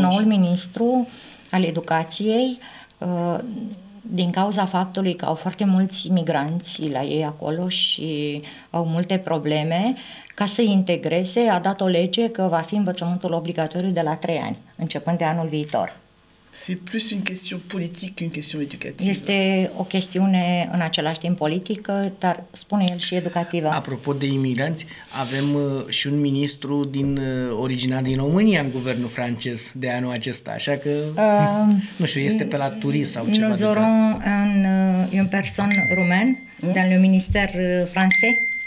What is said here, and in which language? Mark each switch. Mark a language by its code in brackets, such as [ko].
[ro] Noul ministru al educației, din cauza faptului că au foarte mulți imigranți la ei acolo și au multe probleme, ca să integreze, a dat o lege că va fi învățământul obligatoriu de la 3 ani, începând de anul viitor. [fr] C'est plus une question politique qu'une question éducative. [ro] Este o chestiune în același timp politică, dar spune el și educativă. Apropo de imigranți, avem și un ministru din original din România în guvernul francez de anul acesta, așa că nu știu, este pe la turism sau ceva. [fr] Nous aurons un person rumen dans le ministère français.